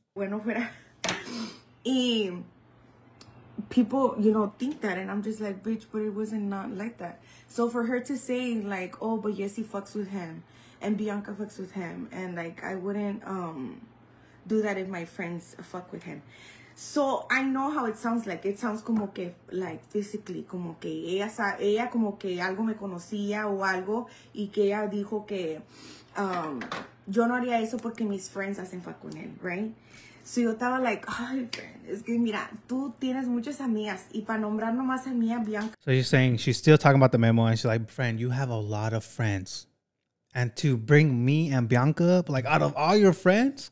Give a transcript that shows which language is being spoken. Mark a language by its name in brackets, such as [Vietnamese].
[Spanish] Bueno, fuera. [English] And people, you know, think that. And I'm just like, bitch, but it wasn't not like that. So, for her to say, like, oh, but Yesy fucks with him. And Bianca fucks with him. And, like, I wouldn't do that if my friends fuck with him. So, I know how it sounds like. It sounds [Spanish] como que, [English] like, physically. [Spanish] Como que ella como que algo me conocía o algo. Y que ella dijo que yo no haría eso porque mis friends hacen fuck con él, right? So, yo estaba like, ay, friend. Es que mira, tú tienes muchas amigas. Y para nombrar nomás a mí, a Bianca. [English] So, she's saying, she's still talking about the memo. And she's like, friend, you have a lot of friends. And to bring me and Bianca up, like, out of all your friends?